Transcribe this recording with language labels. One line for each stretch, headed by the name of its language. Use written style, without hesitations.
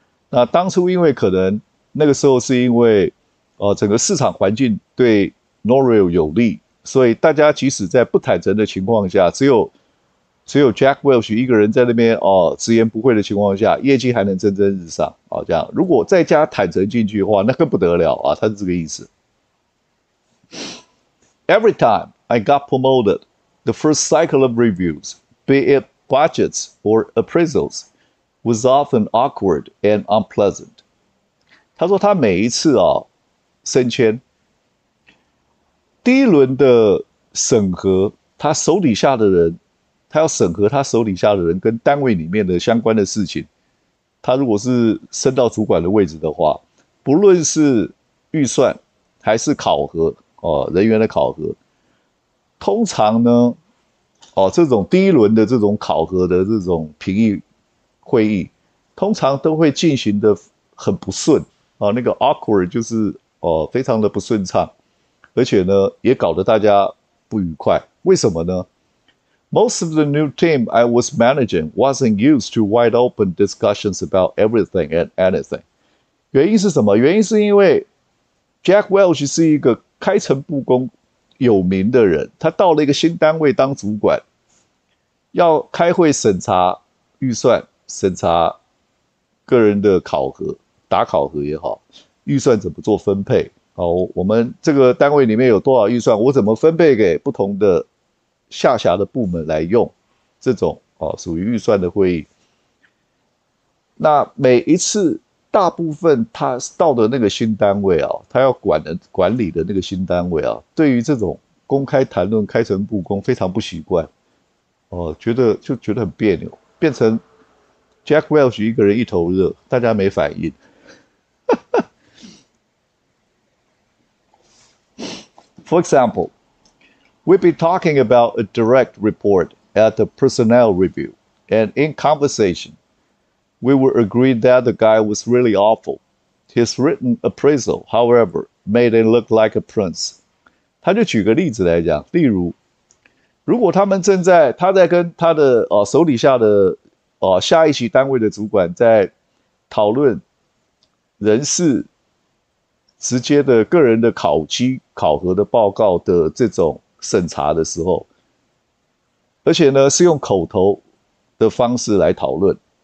Chinese: 那当初因为可能那个时候是因为整个市场环境对 Norio 有利，所以大家即使在不坦诚的情况下，只有 Jack Welch 一个人在那边直言不讳的情况下，业绩还能蒸蒸日上这样，如果再加坦诚进去的话，那更不得了啊！他是这个意思。
English: Every time I got promoted, the first cycle of reviews, be it budgets or appraisals, was often awkward and unpleasant。
Chinese: 他说他每一次升迁，第一轮的审核，他手底下的人。他要审核他手底下的人跟单位里面的相关的事情。他如果是升到主管的位置的话，不论是预算还是考核，人员的考核，通常呢，这种第一轮的这种考核的这种评议会议，通常都会进行得很不顺，那个 awkward 就是非常的不顺畅，而且呢，也搞得大家不愉快。为什么呢？
English: Most of the new team I was managing wasn't used to wide open discussions about everything and anything。
Chinese: 原因是什么？原因是因为 Jack Welch 是一个开诚布公、有名的人，他到了一个新单位当主管，要开会审查预算、审查个人的考核、打考核也好，预算怎么做分配？我们这个单位里面有多少预算，我怎么分配给不同的下辖的部门来用这种属于预算的会议。那每一次，大部分他到的那个新单位他要管理的那个新单位对于这种公开谈论、开诚布公非常不习惯，觉得很别扭，变成 Jack Welch 一个人一头热，大家没反应。
English: For example, we'd be talking about a direct report at the personnel review, and in conversation, We were agreed that the guy was really awful. His written appraisal, however, made him look like a prince.
Chinese: 他就举个例子来讲，例如，如果他们正在，他在跟他的手底下的下一级单位的主管在讨论人事直接的个人的考绩考核的报告的这种审查的时候，而且呢是用口头的方式来讨论。